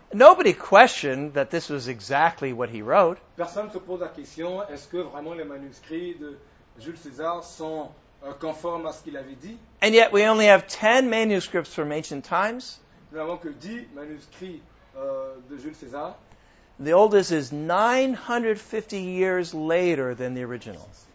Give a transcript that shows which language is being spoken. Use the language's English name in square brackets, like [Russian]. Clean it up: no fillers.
[English] Nobody questioned that this was exactly what he wrote. [French] Personne ne se pose la question, est-ce que vraiment les manuscrits de Jules César sont conformes à ce qu'il avait dit? [English] And yet we only have 10 manuscripts from ancient times. [French] Nous n'avons que 10 manuscrits de Jules César. [English] The oldest is 950 years later than the original.